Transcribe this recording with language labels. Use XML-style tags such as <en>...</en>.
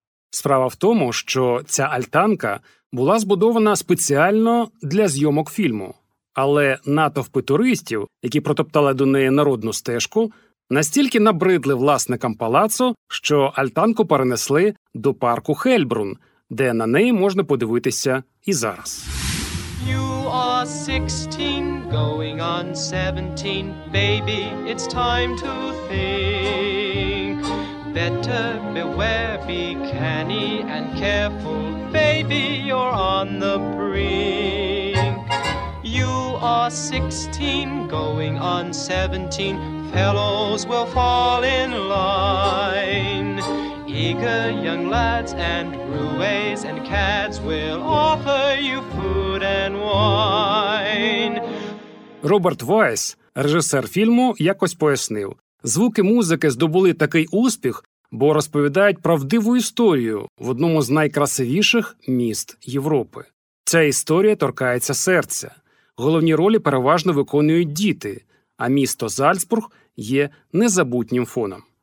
<uk>Справа в тому, що ця альтанка – була збудована спеціально для зйомок фільму. Але натовпи туристів, які протоптали до неї народну стежку, настільки набридли власникам палацу, що альтанку перенесли до парку Хельбрун, де на неї можна подивитися і зараз.</uk> <en>You are 16, going on 17, baby, it's time to think. Better beware, be canny and careful, baby, you're on the brink. You are 16, going on 17, fellows will fall in line. Eager young lads and roués and cads will offer you food and wine.</en> <uk>Роберт Вайс, режисер фільму, якось пояснив. Звуки музики здобули такий успіх, бо розповідають правдиву історію в одному з найкрасивіших міст Європи. Ця історія торкається серця. Головні ролі переважно виконують діти, а місто Зальцбург є незабутнім фоном.</uk>